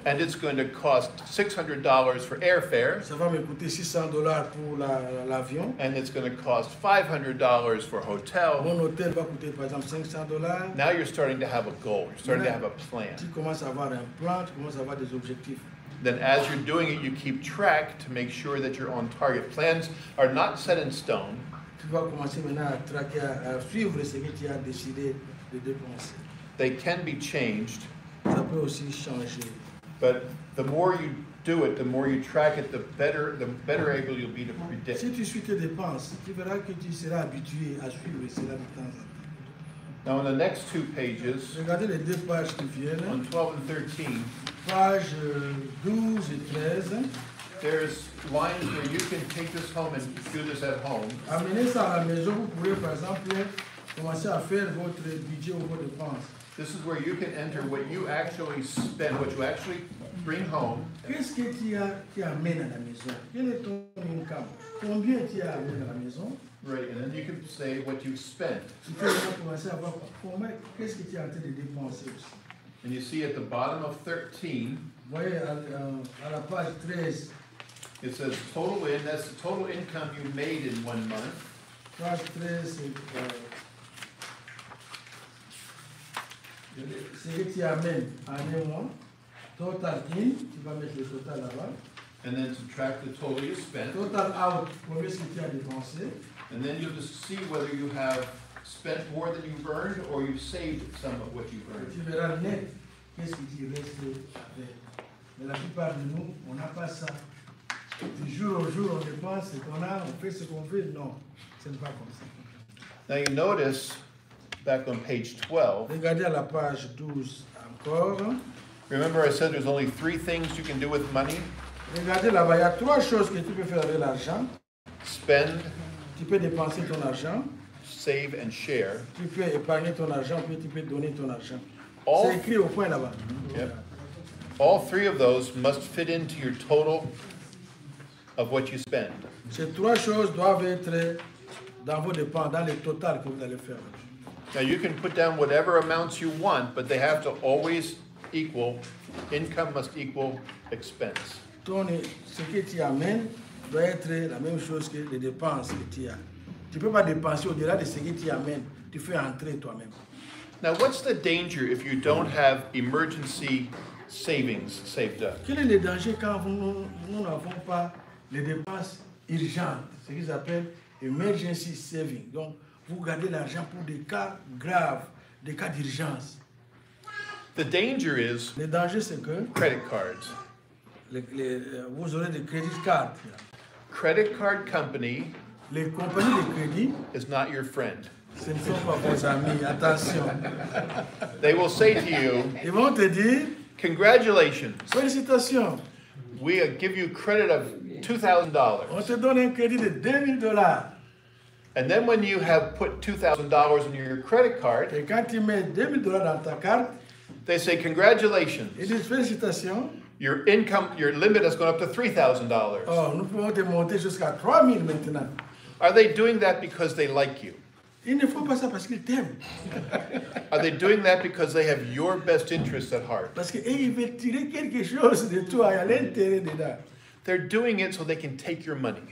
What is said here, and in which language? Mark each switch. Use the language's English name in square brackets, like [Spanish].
[English] and it's going to cost $600 for airfare, [French] ça va me coûter $600 pour l'avion, [English] and it's going to cost $500 for hotel. [French] Mon hôtel va coûter par exemple $500. [English] Now you're starting to have a goal. You're starting to have a plan. [French] Tu commences à avoir un plan, tu commences à avoir des objectifs. [English] Then as you're doing it, you keep track to make sure that you're on target. Plans are not set in stone. [French] Tu vas commencer maintenant à traquer, à suivre ce que tu as décidé de dépenser. [English] They can be changed. [French] Ça peut aussi changer. [English] But the more you do it, the more you track it, the better able you'll be to predict. [French] Si tu suis tes dépenses, tu verras que tu seras habitué à suivre cela de temps en temps. [English] Now on the next two pages, [French] regardez les deux pages qui viennent, [English] on 12 and 13, [French] page 12 et 13, [English] there's lines where you can take this home and do this at home. [French] Amenez ça à la maison, vous pouvez par exemple commencer à faire votre budget ou vos dépenses. [English] This is where you can enter what you actually spend, what you actually bring home. [French] Qu'est-ce que tu as qui amène à la maison? Quel est ton income? Combien tu as amené à la maison? [English] Right, and then you can say what you spent. [French] Tu peux commencer à voir combien, qu'est-ce que tu as en train de dépenser aussi. [English] And you see at the bottom of 13, [French] à la page 13, [English] it says total in, that's the total income you made in 1 month. [French] Page 13, c'est ce que tu amènes en un mois. Total in, tu vas mettre le total là-bas. [English] And then subtract the total you spent. [French] Total out, combien est-ce que tu as dépensé. [English] And then you'll just see whether you have spent more than you've earned, or you've saved some of what you've earned. [French] Tu verras net qu'est-ce qui reste avec. Mais la plupart de nous, on n'a pas ça. Du jour au jour, on dépense ce qu'on a, on fait ce qu'on veut. Non, ce n'est pas comme ça. [English] Now you notice, back on page 12. [French] Regardez à la page 12 encore. [English] Remember I said there's only three things you can do with money? [French] Regardez là-bas, il y a trois choses que tu peux faire avec l'argent. [English] Spend. [French] Tu peux dépenser ton argent. [English] Save and share. [French] Tu peux épargner ton argent, puis tu peux donner ton argent. All c'est écrit au point là-bas. [English] Yep. All three of those must fit into your total of what you spend. [French] Ces trois choses doivent être dans vos dépenses, dans le total que vous allez faire. [English] Now you can put down whatever amounts you want, but they have to always equal, income must equal expense. [French] Tony, ce que tu amènes doit être la même chose que les dépenses que tu as. Tu ne peux pas dépenser au-delà de ce que tu amènes. Tu fais entrer toi-même. [English] Now, what's the danger if you don't have emergency savings saved up? [French] Quel est le danger quand nous n'avons pas les dépenses urgentes, ce qu'ils appellent [English] emergency savings. [French] Donc, vous gardez l'argent pour des cas graves, des cas d'urgence. [English] The danger is [French] le danger, c'est que [English] credit cards. [French] Vous aurez des credit cards. [English] Credit card company [French] les compagnies de crédit [English] is not your friend. [French] Ce ne sont pas vos amis, attention. [English] They will say to you, [French] ils vont te dire, [English] congratulations. [French] Félicitations. [English] We give you credit of $2,000. [French] On te donne un crédit de $2,000. [English] And then when you have put $2,000 in your credit card, [French] et quand tu mets $2,000 dans ta carte, [English] they say, congratulations. [French] Ils disent félicitations. [English] Your income, your limit has gone up to $3,000. [French] Oh, nous pouvons te monter jusqu'à 3,000 maintenant. [English] Are they doing that because they like you? [French] Ils ne font pas ça parce qu'ils t'aiment. [English] Are they doing that because they have your best interests at heart? [French] Parce qu'ils veulent tirer quelque chose de toi à l'intérêt de là. [English] They're doing it so they can take your money.